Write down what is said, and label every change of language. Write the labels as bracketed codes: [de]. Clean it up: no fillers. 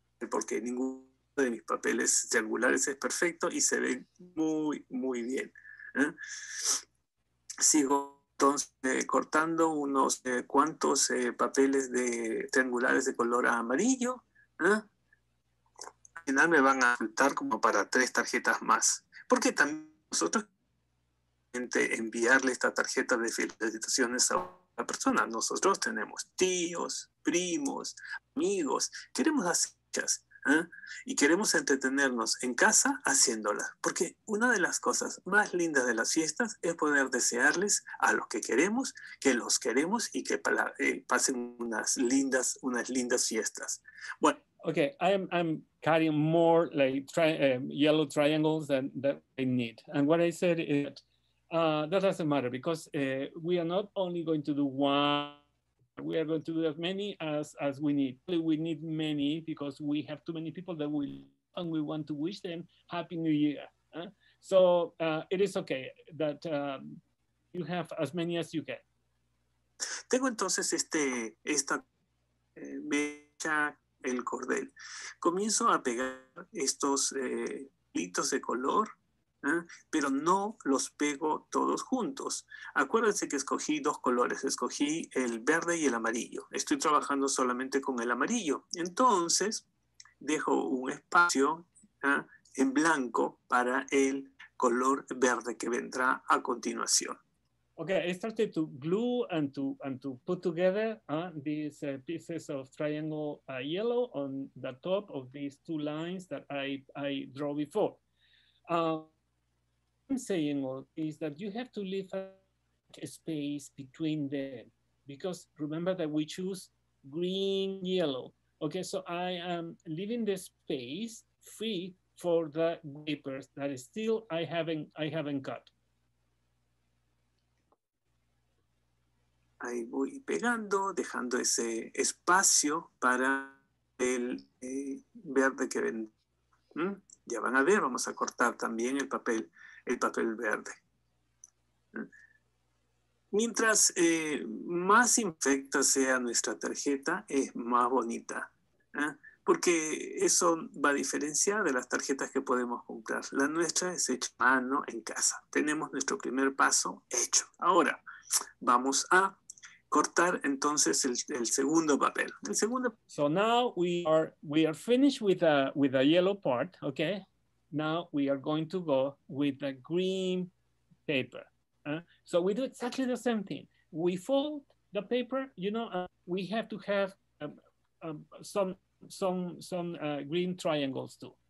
[es] Porque ninguno de mis papeles triangulares es perfecto y se ve muy muy bien. Sigo entonces cortando unos cuantos papeles de triangulares de color amarillo. Al final me van a faltar como para tres tarjetas más, porque también nosotros enviarle esta tarjeta de felicitaciones a la persona. Nosotros tenemos tíos, primos, amigos, queremos hacerlas, y queremos entretenernos en casa haciéndolas, porque una de las cosas más lindas de las fiestas es poder desearles a los que queremos, que los queremos y que pasen unas lindas fiestas. Bueno, [en] okay, I'm cutting more like yellow triangles than I need, and what I said is that that doesn't matter because we are not only going to do one, we are going to do as many as we need. We need many because we have too many people that we love and we want to wish them Happy New Year. So it is okay that you have as many as you can. [es] Tengo entonces esta mecha, el cordel. Comienzo a pegar estos hilitos de color. Pero no los pego todos juntos. Acuérdense que escogí dos colores, escogí el verde y el amarillo. Estoy trabajando solamente con el amarillo. Entonces, dejo un espacio en blanco para el color verde que vendrá a continuación. [en] Okay, I started to glue and to put together these pieces of triangle yellow on the top of these two lines that I draw before. What I'm saying is that you have to leave a space between them, because remember that we choose green, yellow. Okay, so I am leaving the space free for the papers that is still I haven't cut. [es] Ahí voy pegando, dejando ese espacio para el verde que ven. Ya van a ver, vamos a cortar también el papel verde. Mientras más infecta sea nuestra tarjeta, es más bonita. Porque eso va a diferenciar de las tarjetas que podemos comprar. La nuestra es hecha a mano en casa. Tenemos nuestro primer paso hecho. Ahora vamos a cortar entonces el segundo papel. El segundo. [en] So now we are finished with the yellow part, okay? Now we are going to go with the green paper. So we do exactly the same thing. We fold the paper, you know, we have to have some green triangles too.